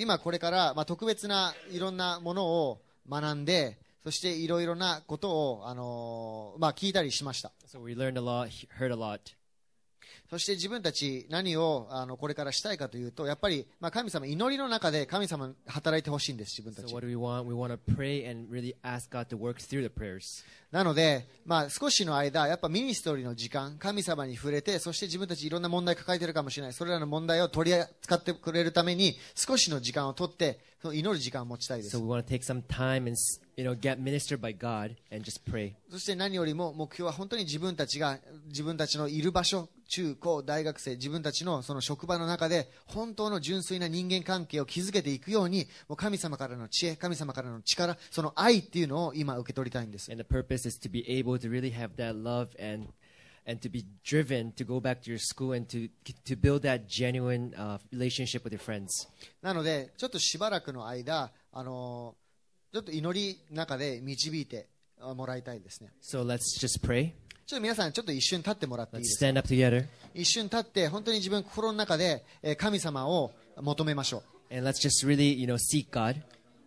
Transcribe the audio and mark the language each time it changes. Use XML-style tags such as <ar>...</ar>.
<ja>今これから、まあ、特別ないろんなものを学んで、そしていろいろなことを、まあ、聞いたりしました。</ja> <en>So we learned a lot, heard a lot.</en> <ja>そして自分たち何をこれからしたいかというと、やっぱり、まあ、神様、祈りの中で神様働いてほしいんです、自分たち。</ja> <en>So what do we want? We want to pray and really ask God to work through the prayers.</en> <ja>なので、まあ、少しの間、やっぱミニストリーの時間、神様に触れて、そして自分たちいろんな問題抱えてるかもしれない、それらの問題を取り扱ってくれるために、少しの時間を取って、その祈る時間を持ちたいです。</ja> <en>So we want to take some time and... You know, get ministered by God and just pray.</en> <ja>そして何よりも目標は本当に自分たちが自分たちのいる場所、中高大学生、自分たちのその職場の中で本当の純粋な人間関係を築けていくように、もう神様からの知恵、神様からの力、その愛っていうのを今受け取りたいんです。</ja> <en>And the purpose is to be able to really have that love and to be driven to go back to your school and to build that genuine relationship with your friends.</en> <ja>なのでちょっとしばらくの間、ちょっと祈り中で導いてもらいたいですね。</ja> <en>So let's just pray.</en> <ja>ちょっと皆さんちょっと一瞬立ってもらっていいですか。</ja> <en>Let's stand up together.</en> <ja>一瞬立って本当に自分心の中で神様を求めましょう。</ja> <en>And let's just really, you know, seek God.</en>